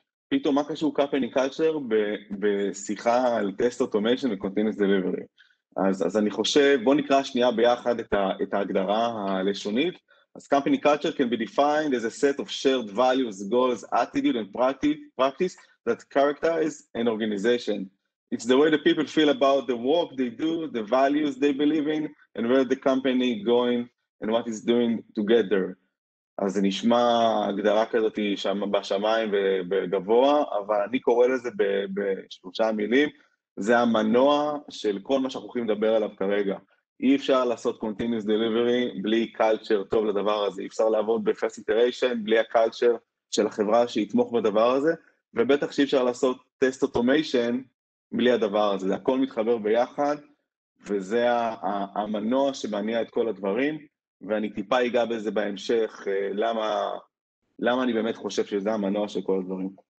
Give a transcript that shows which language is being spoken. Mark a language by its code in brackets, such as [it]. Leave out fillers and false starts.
[he] פתאום מה קשור company culture בשיחה על test automation ו-continuous delivery. אז אני חושב, בוא נקרא שנייה ביחד את ההגדרה הלשונית. [en] אז company culture can be defined as a set of shared values, goals, attitude and practice that characterize an organization. It's the way the people feel about the work they do, the values they believe in, and where the company is going and what it's doing together. [he] אז זה נשמע הגדרה כזאת שם בשמיים ובגבוה, אבל אני קורא לזה בשלושה מילים, זה המנוע של כל מה שאנחנו הולכים לדבר עליו כרגע. אי אפשר לעשות continuous delivery בלי culture טוב לדבר הזה, אי אפשר לעבוד ב-first iteration בלי הקלצ'ר של החברה שיתמוך בדבר הזה, ובטח שאי אפשר לעשות test automation בלי הדבר הזה, זה הכל מתחבר ביחד, וזה המנוע שמניע את כל הדברים, ואני טיפה אגע בזה בהמשך, למה אני באמת חושב שזה המנוע של כל הדברים.